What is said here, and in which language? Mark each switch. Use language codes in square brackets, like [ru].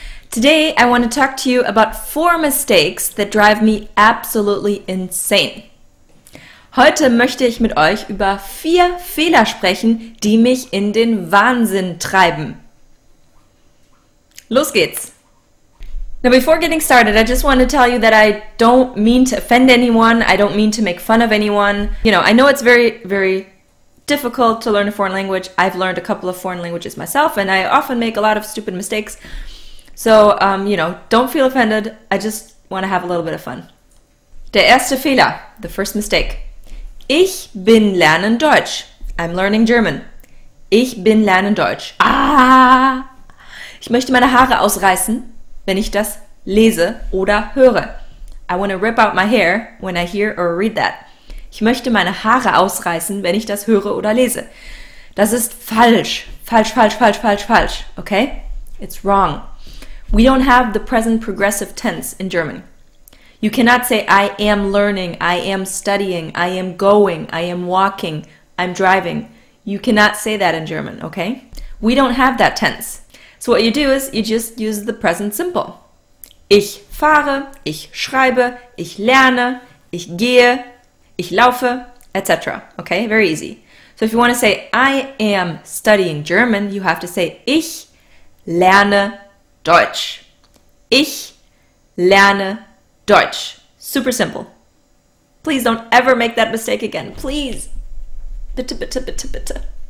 [en] Today I want to talk to you about four mistakes that drive me absolutely insane. [de] Heute möchte ich mit euch über vier Fehler sprechen, die mich in den Wahnsinn treiben. Los geht's! [en] Now before getting started, I just want to tell you that I don't mean to offend anyone, I don't mean to make fun of anyone. You know, I know it's very, very difficult to learn a foreign language. I've learned a couple of foreign languages myself, and I often make a lot of stupid mistakes. So, you know, don't feel offended. I just want to have a little bit of fun. [de] Der erste Fehler, [en] the first mistake. [de] Ich bin lernen Deutsch. [en] I'm learning German. [de] Ich bin lernen Deutsch. Ah! Ich möchte meine Haare ausreißen, wenn ich das lese oder höre. [en] I want to rip out my hair when I hear or read that. [de] Ich möchte meine Haare ausreißen, wenn ich das höre oder lese. Das ist falsch. Falsch, falsch, falsch, falsch, falsch. [en] Okay? It's wrong. We don't have the present progressive tense in German. You cannot say, I am learning, I am studying, I am going, I am walking, I'm driving. You cannot say that in German, okay? We don't have that tense. So what you do is, you just use the present simple. [de] Ich fahre, ich schreibe, ich lerne, ich gehe, ich laufe, etc. [en] Okay, very easy. So if you want to say, I am studying German, you have to say, [de] ich lerne Deutsch. Ich lerne Deutsch. Super simple. [en] Please don't ever make that mistake again. Please. [de] Bitte, bitte, bitte, bitte.